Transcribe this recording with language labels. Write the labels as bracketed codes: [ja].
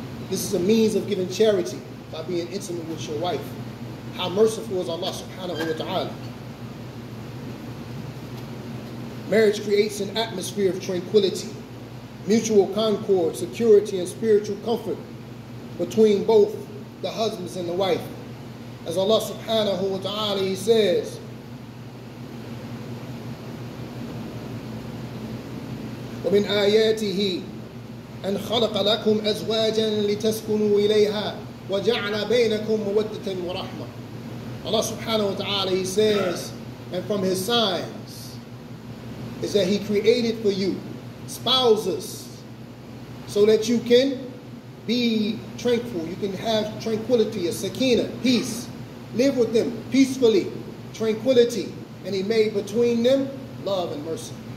[en] This is a means of giving charity by being intimate with your wife. How merciful is Allah subhanahu wa ta'ala? Marriage creates an atmosphere of tranquility, mutual concord, security, and spiritual comfort between both the husbands and the wife. As Allah subhanahu wa ta'ala, he says, [ar] وَمِنْ آيَاتِهِ أَنْ خَلَقَ لَكُمْ أَزْوَاجًا لِتَسْكُنُوا إِلَيْهَا وَجَعْلَ بَيْنَكُمْ مَوَدَّةً وَرَحْمَةً. [en] Allah subhanahu wa ta'ala, he says, and from his signs is that he created for you spouses so that you can be tranquil. You can have tranquility, a sakina, peace. Live with them peacefully, tranquility. And he made between them love and mercy.